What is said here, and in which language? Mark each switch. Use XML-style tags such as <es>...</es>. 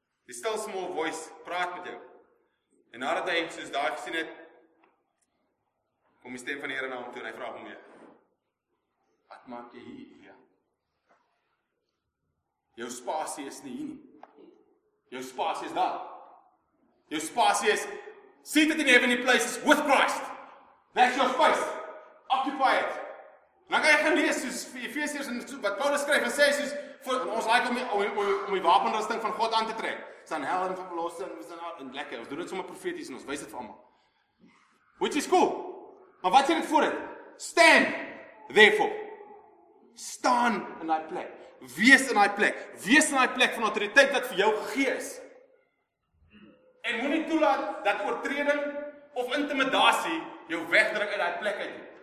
<af>Die</af> <en>still small voice</en> <af>praat met jou. En nadat hy soos daai gesien het, kom die stem van die Here na hom toe en hy vra hom weer. Wat maak jy hier, Elia? Jou spasie is nie hier nie. Jou spasie is daar. Jou spasie is</af> <en>seated in heavenly places with Christ. That's your space. Occupy it.</en> <af>Nou kan jy gaan lees soos Efesiërs en wat Paulus skryf en sê soos vir ons like om die wapenrusting van God aan te trek. Dan helm van verlossing, ons dan in lekker. Ons doen dit sommer profeties en ons wys dit vir almal.</af> <en>Which is cool.</en> <af>Maar wat sê dit voor dit?</af> <en>Stand therefore.</en> <af>Staan in daai plek. Wees in daai plek. Wees in daai plek van autoriteit wat vir jou gegee is. En moenie toelaat dat oortreding of intimidasie jou wegdruk uit daai plek uit.</af>